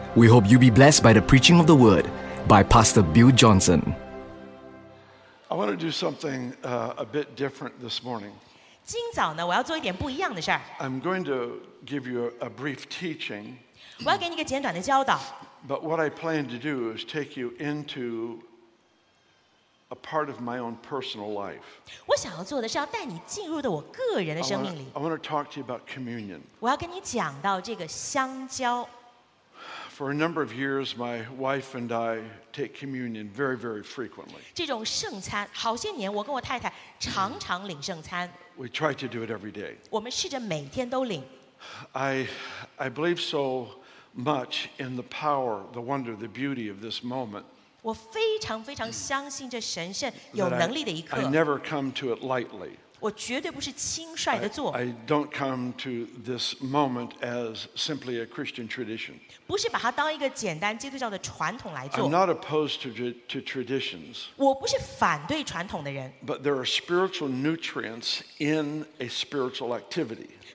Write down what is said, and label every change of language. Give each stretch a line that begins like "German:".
English: We hope you'll be blessed by the preaching of the word by Pastor Bill Johnson. I want to do something a bit different this morning.
Chinese: 今早呢, 我要做一点不一样的事儿。
English: I'm going to give you a brief teaching.
Chinese: 我要给你一个简短的教导。
English: But what I plan to do is take you into a part of my own personal life.
Chinese: 我想要做的是要带你进入到我个人的生命里。
English: I want to talk to you about communion.
Chinese: 我要跟你讲到这个香蕉。
English: For a number of years, my wife and I take communion very, very frequently.
Chinese: 这种圣餐，好些年我跟我太太常常领圣餐。
English: We try to do it every day.
Chinese: 我们试着每天都领。
English: I believe so much in the power, the wonder, the beauty of this moment.
Chinese: 我非常非常相信这神圣有能力的一刻。
English: I never come to it lightly.
Chinese: 我绝对不是轻率地做。
English: I don't come to this moment as simply a Christian tradition.
Chinese: 不是把它当一个简单基督教的传统来做。
English: I'm not opposed to traditions.
Chinese: 我不是反对传统的人。
English: But there are spiritual nutrients in a spiritual activity.